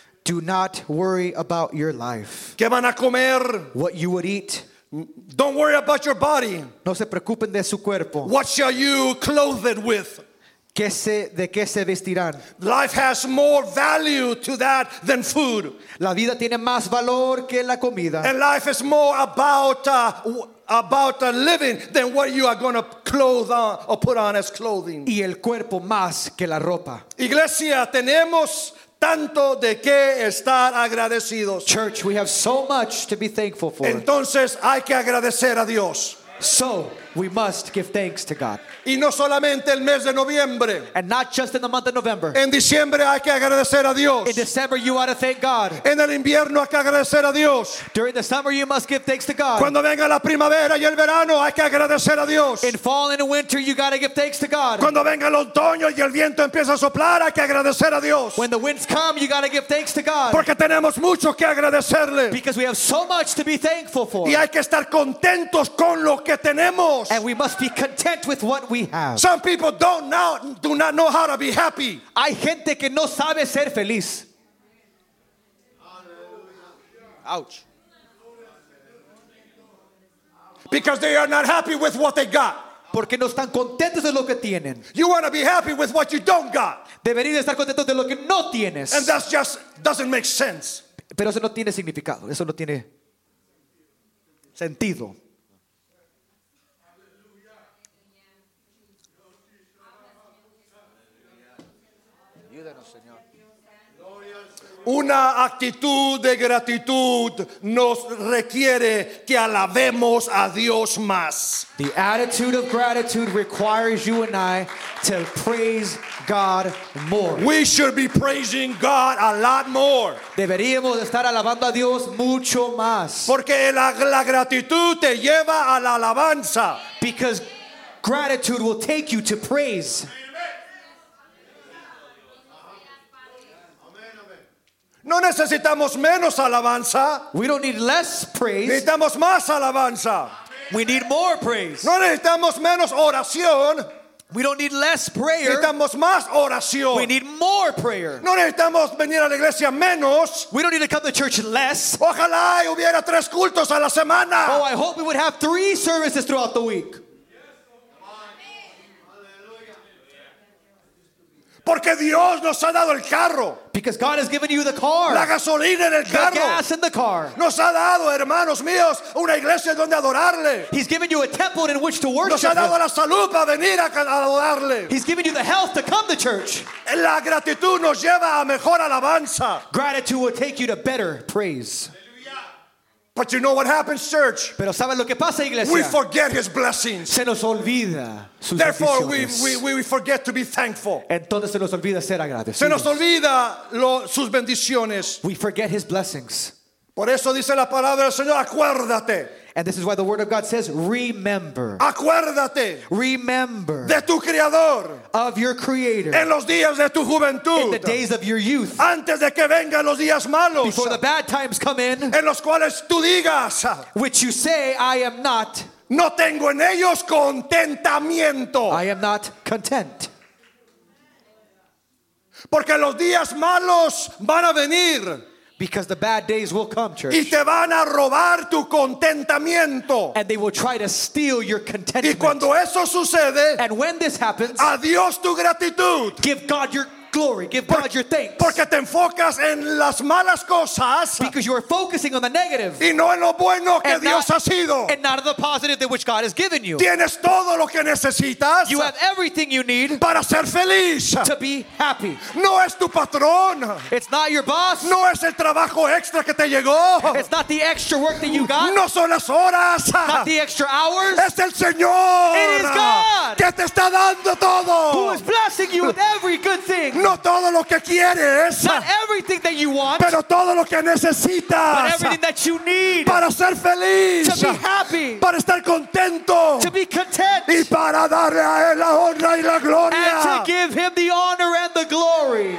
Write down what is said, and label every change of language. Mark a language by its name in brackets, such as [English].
[English] Do not worry about your life. [Spanish] ¿Qué van a comer? [English] What you would eat. Don't worry about your body. [Spanish] No se preocupen de su cuerpo. [English] What shall you clothe it with? [Spanish] ¿De qué se vestirán? [English] Life has more value to that than food. [Spanish] La vida tiene más valor que la comida. [English] And life is more about living than what you are going to clothe on or put on as clothing. [Spanish] Y el cuerpo más que la ropa. Iglesia, tenemos tanto de qué estar agradecidos. [English] Church, we have so much to be thankful for. [Spanish] Entonces hay que agradecer a Dios. [English] So we must give thanks to God. [Spanish] Y no solamente el mes de noviembre. [English] And not just in the month of November. [Spanish] En diciembre hay que agradecer a Dios. [English] In December you ought to thank God. [Spanish] En el invierno hay que agradecer a Dios. [English] During the summer you must give thanks to God. [Spanish] Cuando venga la primavera y el verano hay que agradecer a Dios. [English] In fall and in winter you got to give thanks to God. [Spanish] Cuando venga el otoño y el viento empieza a soplar hay que agradecer a Dios. [English] When the winds come you got to give thanks to God. [Spanish] Porque tenemos mucho que agradecerle. [English] Because we have so much to be thankful for. [Spanish] Y hay que estar contentos con lo que tenemos. [English] And we must be content with what we have. Some people do not know how to be happy. [Spanish] Hay gente que no sabe ser feliz. [English] Ouch. Because they are not happy with what they got. [Spanish] Porque no están contentos de lo que tienen. [English] You want to be happy with what you don't got. [Spanish] Deberían estar contentos de lo que no tienes. [English] And that just doesn't make sense. [Spanish] Pero eso no tiene significado. Eso no tiene sentido. Una actitud de gratitud nos requiere que alabemos a Dios más. [English] The attitude of gratitude requires you and I to praise God more. We should be praising God a lot more. [Spanish] Deberíamos estar alabando a Dios mucho más. Porque la gratitud te lleva a la alabanza. [English] Because gratitude will take you to praise. [Spanish] No necesitamos menos alabanza. [English] We don't need less praise. [Spanish] Necesitamos más alabanza. [English] We need more praise. [Spanish] No necesitamos menos oración. [English] We don't need less prayer. [Spanish] Necesitamos más oración. [English] We need more prayer. [Spanish] No necesitamos venir a la iglesia menos. [English] We don't need to come to church less. [Spanish] Ojalá y hubiera tres cultos a la semana. [English] Oh, I hope we would have three services throughout the week. [Spanish] Porque Dios nos ha dado el carro. [English] Because God has given you the car. [Spanish] La gasolina en el carro. [English] The gas in the car. [Spanish] Nos ha dado, hermanos míos, una iglesia donde adorarle. [English] He's given you a temple in which to worship. [Spanish] Nos ha dado la salud para venir a adorarle. [English] He's given you the health to come to church. [Spanish] La gratitud nos lleva a mejor alabanza. [English] Gratitude will take you to better praise. But you know what happens, church? [Spanish] Pero ¿sabes lo que pasa, iglesia? [English] We forget his blessings. [Spanish] Se nos olvida sus [English] Therefore, we forget to be thankful. [Spanish] Entonces se nos olvida ser agradecidos. Se nos olvida sus bendiciones. [English] We forget his blessings. [Spanish] Por eso dice la palabra del Señor, acuérdate. [English] And this is why the word of God says, remember. [Spanish] Acuérdate. [English] Remember. [Spanish] De tu creador. [English] Of your creator. [Spanish] En los días de tu juventud. [English] In the days of your youth. [Spanish] Antes de que vengan los días malos. [English] Before the bad times come in. [Spanish] En los cuales tú digas. [English] Which you say, I am not. [Spanish] No tengo en ellos contentamiento. [English] I am not content. [Spanish] Porque los días malos van a venir. [English] Because the bad days will come, church. [Spanish] Y te van a robar tu contentamiento. [English] And they will try to steal your contentment. [Spanish] Y cuando eso sucede, [English] and when this happens, [Spanish] adiós tu gratitud. [English] Give God your glory. Give God your thanks. [Spanish] Porque te enfocas en las malas cosas. [English] Because you are focusing on the negative. [Spanish] Y no en lo bueno que Dios ha sido. [English] And not the positive that which God has given you. [Spanish] Tienes todo lo que necesitas. [English] You have everything you need. [Spanish] Para ser feliz. [English] To be happy. [Spanish] No es tu patrón. [English] It's not your boss. [Spanish] No es el trabajo extra que te llegó. [English] It's not the extra work that you got. [Spanish] No son las horas. [English] Not the extra hours. [Spanish] Es el Señor. [English] It is God. [Spanish] Que te está dando todo. [English] Who is blessing you with every good thing. [Spanish] No todo lo que quieres. [English] Not everything that you want. [Spanish] Pero todo lo que necesitas. [English] But everything that you need. [Spanish] Para ser feliz. [English] To be happy. [Spanish] Para estar contento. [English] To be content. [Spanish] Y para darle a Él la honra y la gloria. [English] And to give Him the honor and the glory.